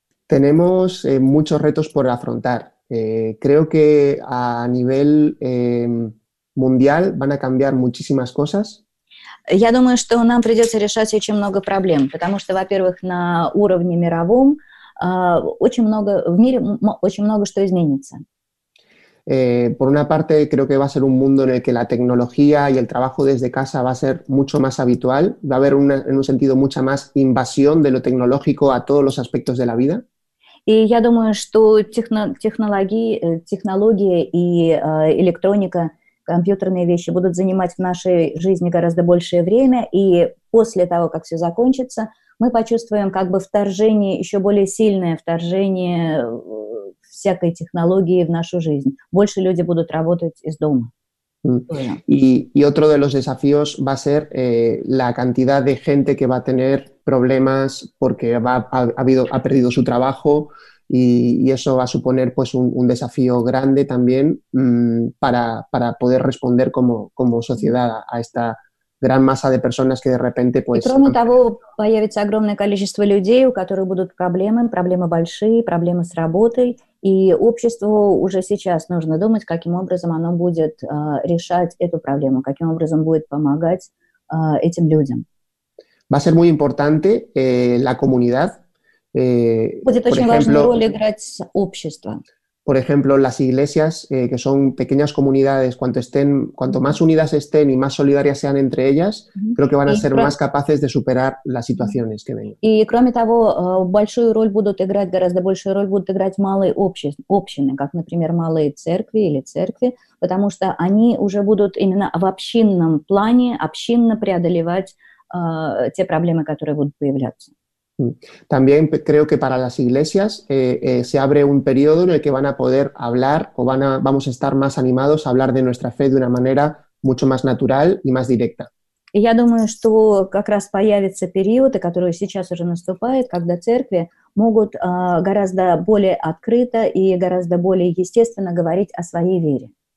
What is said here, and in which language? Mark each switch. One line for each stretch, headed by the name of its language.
Spanish: Tenemos muchos retos por afrontar. Creo que a nivel mundial van a cambiar muchísimas cosas.
Russian: Я думаю, что нам придется решать очень много проблем, потому что, во-первых, на уровне мировом очень много что изменится.
Spanish: Por una parte, creo que va a ser un mundo en el que la tecnología y el trabajo desde casa va a ser mucho más habitual. Va a haber en un sentido mucha más invasión de lo tecnológico a todos los aspectos de la vida.
Russian: И я думаю, что технологии и электроника, компьютерные вещи будут занимать в нашей жизни гораздо большее время, и после того, как все закончится, мы почувствуем как бы вторжение, еще более сильное вторжение всякой технологии в нашу жизнь. Больше люди будут работать из дома.
Spanish: Y otro de los desafíos va a ser la cantidad de gente que va a tener problemas porque ha perdido su trabajo y eso va a suponer pues un desafío grande también para poder responder como sociedad a esta gran masa de personas que de repente pues... Y
Russian: кроме того, появится огромное количество людей, у которых будут проблемы, проблемы большие, проблемы с работой, и обществу уже сейчас нужно думать, каким образом оно будет решать эту проблему, каким образом будет помогать этим людям.
Spanish: Va a ser muy importante la comunidad.
Russian: Будет очень важную роль играть общество.
Spanish: Por ejemplo, las iglesias, que son pequeñas comunidades, cuanto más unidas estén y más solidarias sean entre ellas, creo que van a ser más capaces de superar las situaciones que vengan. Y,
Russian: кроме того, большую роль будут играть, гораздо большую роль будут играть малые общины, как, например, малые церкви или церкви, потому что они уже будут именно в общинном плане общинно преодолевать те проблемы, которые будут появляться.
Spanish: También creo que para las iglesias se abre un periodo en el que van a poder hablar o vamos a estar más animados a hablar de nuestra fe de una manera mucho más natural y más directa. Y
Russian: я думаю, что как раз появится период, который сейчас уже наступает, когда церкви могут гораздо более открыто и гораздо более естественно говорить о своей вере.